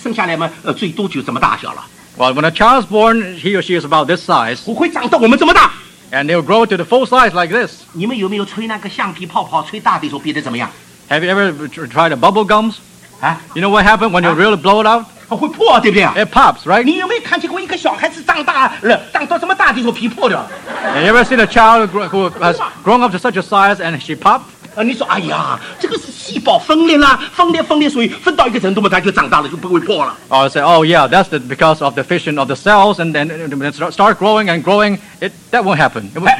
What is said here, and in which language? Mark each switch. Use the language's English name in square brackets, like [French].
[Chinese] 啊，我告诉你啊，这个小孩子生下来嘛，最多就这么大小了。 [English] Well, when a child's born, he or she is about this size. [Chinese] 我会长到我们这么大。 [English] And they'll grow to the full size like this. [Chinese] 你们有没有吹那个橡皮泡泡，吹大的时候变得怎么样？ [English] Have you ever tried the bubble gums? 啊？ You know what happened when you really blow it out? [Chinese] 它会破，对不对？ [English] It pops, right? [Chinese] 你有没有看见过一个小孩子长大了，长到这么大的时候皮破掉？ [English] Have you ever seen a child who has grown up to such a size and she popped? [Chinese] 你说，哎呀，这个是细胞分裂啦，分裂，所以分到一个程度嘛，它就长大了，就不会破了。 [English] Oh, I say, oh yeah, that's because of the fission of the cells, and then it start growing and growing, That won't happen.